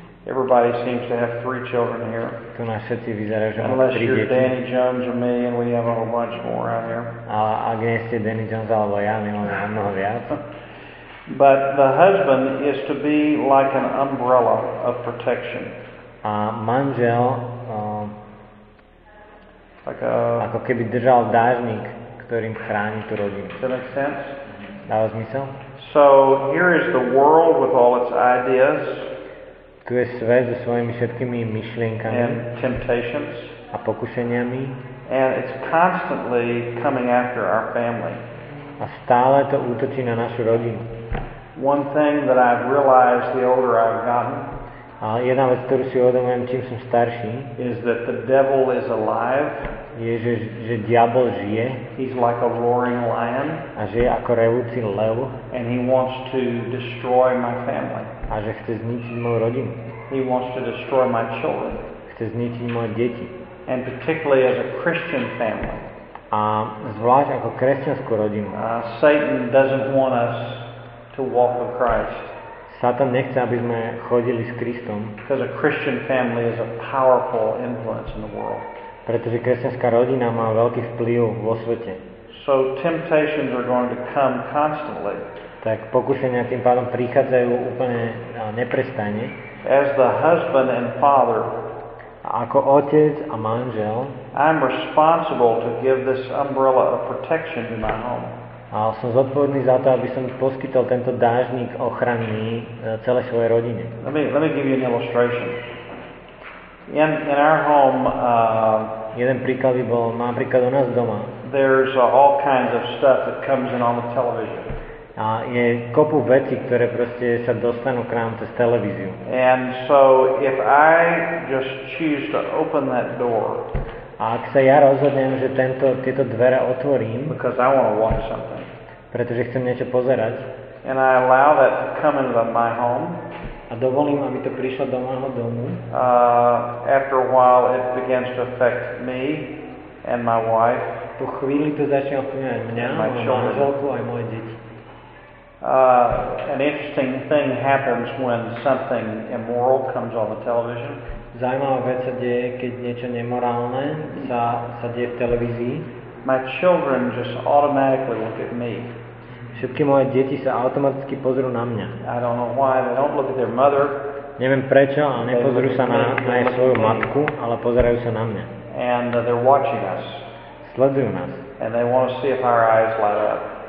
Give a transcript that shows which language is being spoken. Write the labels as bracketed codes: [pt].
[en] Everybody seems to have three children here. [sk] Tu nás všetci vyzerá, že máme tri deti. [en] Unless you're Danny Jones or me, and we have a whole bunch more out here. [sk] Ale ak nie ste Danny Jones alebo ja, my máme mnoho viac. [en] But the husband is to be like an umbrella of protection. [sk] A manžel, ako keby držal dážnik, ktorým chráni tú rodinu. [en] Does that make sense? [sk] Dáva zmysel? [en] So here is the world with all its ideas. [sk] Tu je svet so svojimi všetkými myšlienkami. [en] And temptations. [sk] A pokušeniami. [en] And it's constantly coming after our family. [sk] A stále to útočí na našu rodinu. [en] One thing that I've realized the older I've gotten. [sk] A jedna vec, ktorú si uvedomujem, čím som starší. [en] Is that the devil is alive. [sk] Je, že diabol žije. [en] He's like a roaring lion. [sk] A že je ako revúci lev. [en] And he wants to destroy my family. [sk] A že chce zničiť moju rodinu. [en] He wants to destroy my children. [sk] Chce zničiť moje deti. [en] And particularly as a Christian family. [sk] A zvlášť ako kresťanskú rodinu. [en] Satan doesn't want us to walk with Christ. [sk] Satan nechce, aby sme chodili s Kristom. [en] Because a Christian family is a powerful influence in the world. [sk] Pretože kresťanská rodina má veľký vplyv vo svete. [en] So temptations are going to come constantly. [sk] Tak pokušenia tým pádom prichádzajú úplne neprestane. [en] As the husband and father, [sk] ako otec a manžel, [en] I'm responsible to give this umbrella of protection to my home. [sk] A som zodpovedný za to, aby som poskytol tento dážnik ochrany celej svojej rodine. [en] Let me give you an illustration. In our home, [sk] jeden príklad by bol, napríklad u nás doma. [en] There's all kinds of stuff that comes in on the television. [sk] A je kopu vecí, ktoré proste sa dostanú k nám cez televíziu. [en] And so if I just choose to open that door. [sk] A ak sa ja rozhodnem, že tieto dvere otvorím, [en] because I want to watch something. [sk] Pretože chcem niečo pozerať. [en] And I allow that to come into my home. [sk] A dovolím, aby to prišlo do môjho domu. [en] After a while it begins to affect me and my wife. [sk] Po chvíli to začne ovplyvňovať mňa, moju manželku aj moje deti. [en] An interesting thing happens when something immoral comes on the television. [sk] Zaujímavá vec sa deje, keď niečo nemorálne sa deje v televízii. [en] My children just automatically look at me. [sk] Všetky moje deti sa automaticky pozrú na mňa. [en] I don't know why they don't look at their mother. [sk] Neviem prečo, ale nepozrú sa na svoju matku, ale pozerajú sa na mňa. [en] And they're watching us. [sk] Sledujú nás. [en] And they want to see if our eyes light up.